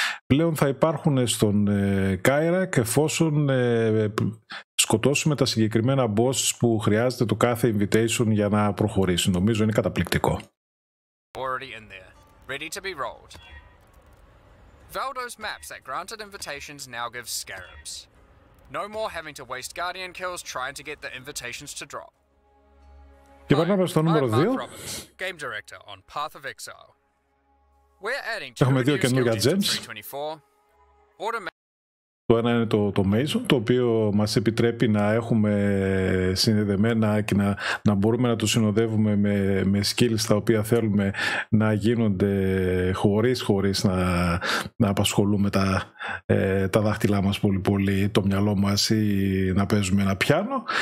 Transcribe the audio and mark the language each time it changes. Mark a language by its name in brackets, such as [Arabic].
[Greek] Πλέον θα υπάρχουν στον Kairak, εφόσον σκοτώσουμε τα συγκεκριμένα boss που χρειάζεται το κάθε invitation για να προχωρήσει. Νομίζω είναι καταπληκτικό. [English] Already in there, ready to be rolled. Valdo's maps that granted invitations now give scarabs. No more having to waste guardian kills trying to get the invitations to drop. [Greek] Και περνάμε στο νούμερο 2. [English] Game Director on Path of Exile. We're adding two new [Greek] καινούργια [English] gems. [Greek] Το ένα είναι το Mason, το οποίο μας επιτρέπει να έχουμε συνδεδεμένα και να μπορούμε να το συνοδεύουμε με skills τα οποία θέλουμε να γίνονται χωρίς να απασχολούμε τα δάχτυλά μας πολύ πολύ, το μυαλό μας ή να παίζουμε ένα πιάνο.